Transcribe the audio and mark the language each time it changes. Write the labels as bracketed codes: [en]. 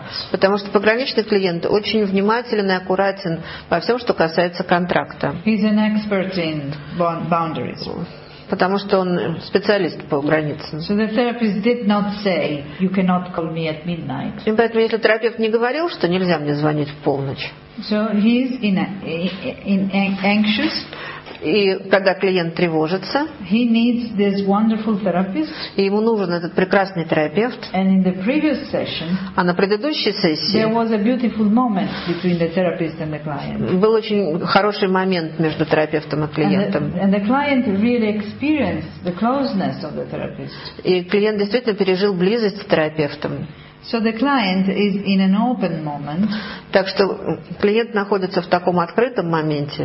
[ru] Потому что пограничный клиент очень внимателен и аккуратен во всем, что касается контракта. [en] He's an expert in boundaries. [ru] Потому что он специалист по границам. [en] So the therapist did not say, you cannot call me at midnight. [ru] И поэтому, если терапевт не говорил, что нельзя мне звонить в полночь. [en] So he's anxious. [ru] И когда клиент тревожится, [en] he needs this wonderful therapist, [ru] и ему нужен этот прекрасный терапевт, [en] and in the previous session, [ru] а на предыдущей сессии [en] there was a beautiful moment between the therapist and the client. [ru] Был очень хороший момент между терапевтом и клиентом. [en] And the client really experienced the closeness of the therapist. [ru] И клиент действительно пережил близость с терапевтом. [en] So the client is in an open moment, [ru] так что клиент находится в таком открытом моменте,